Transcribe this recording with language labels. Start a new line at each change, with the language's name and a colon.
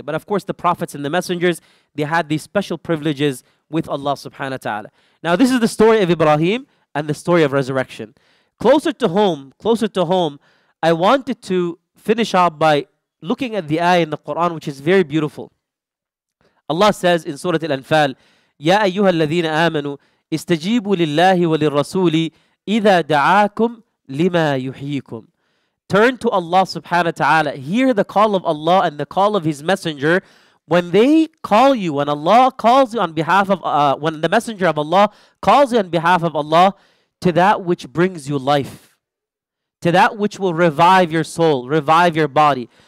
English: But of course, the prophets and the messengers, they had these special privileges with Allah subhanahu wa ta'ala. Now, this is the story of Ibrahim and the story of resurrection. Closer to home, I wanted to finish up by looking at the ayah in the Quran, which is very beautiful. Allah says in Surah Al-Anfal,
Arabic: يَا أَيُّهَا الَّذِينَ آمَنُوا استجيبوا لله وللرسول إذا دعاكم لما يحييكم.
English: Turn to Allah subhanahu wa ta'ala. Hear the call of Allah and the call of His Messenger. When they call you, when Allah calls you on behalf of, when the Messenger of Allah calls you on behalf of Allah, to that which brings you life, to that which will revive your soul, revive your body.